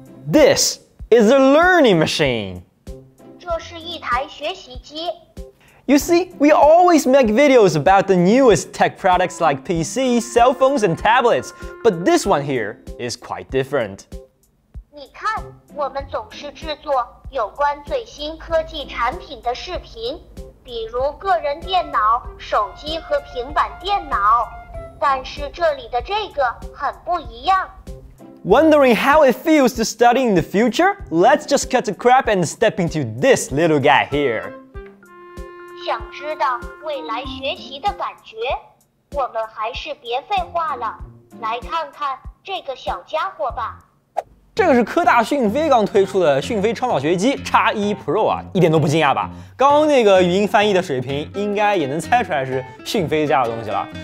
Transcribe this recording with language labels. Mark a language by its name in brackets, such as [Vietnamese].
[English] This is a learning machine. [Chinese] 这是一台学习机。 [English] You see, we always make videos about the newest tech products like PCs, cell phones, and tablets. But this one here is quite different. [Chinese] 你看，我们总是制作有关最新科技产品的视频，比如个人电脑、手机和平板电脑。但是这里的这个很不一样。 [English] Wondering how it feels to study in the future? Let's just cut the crap and step into this little guy here. [Chinese] 想知道未来学习的感觉，我们还是别废话了，来看看这个小家伙吧。这个是科大讯飞刚推出的讯飞超跑学机 X1 Pro 啊，一点都不惊讶吧？刚刚那个语音翻译的水平，应该也能猜出来是讯飞家的东西了。